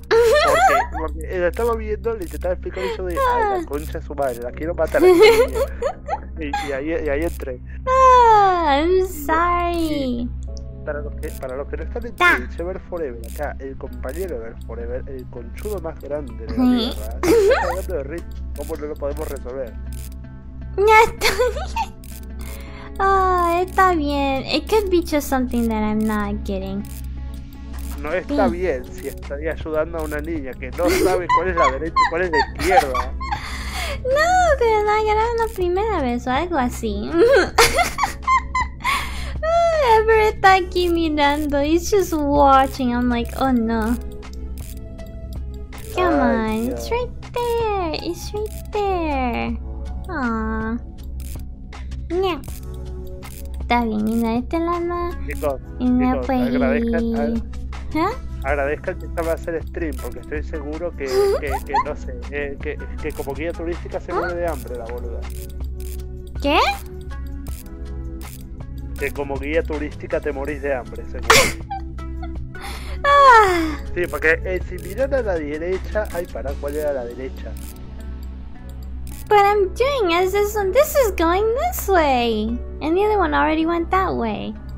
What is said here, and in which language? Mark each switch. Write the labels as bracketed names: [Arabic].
[Spanish] Porque la estaba viendo, le intentaba explicar y yo dije, ay, la concha de su madre, la quiero matar a y ahí entré. [English] I'm sorry. [Spanish] Para los que no están entendiendo, dice Ever Forever, acá, el compañero de Ever Forever, el conchudo más grande de la tierra, está hablando de Rich, ¿cómo no lo podemos resolver? Ya está. Está bien. [English] It could be just something that I'm not getting. [Spanish] No está bien si estaría ayudando a una niña que no sabe cuál es la derecha y cuál es la izquierda. No, pero no, era una primera vez o algo así. Ever está aquí mirando. [English] He's just watching. I'm like, oh no. Come on, yeah. It's right there. Aww. Yeah. [Spanish] Está bien, mira este lado. Agradezcan que estaba a hacer stream, porque estoy seguro que como guía turística se muere de hambre la boluda. ¿Qué? Que como guía turística te morís de hambre, seguro. Sí, porque si miran a la derecha, ay, para, ¿cuál era la derecha? [English] But I'm doing as this one. This is going this way. And the other one already went that way.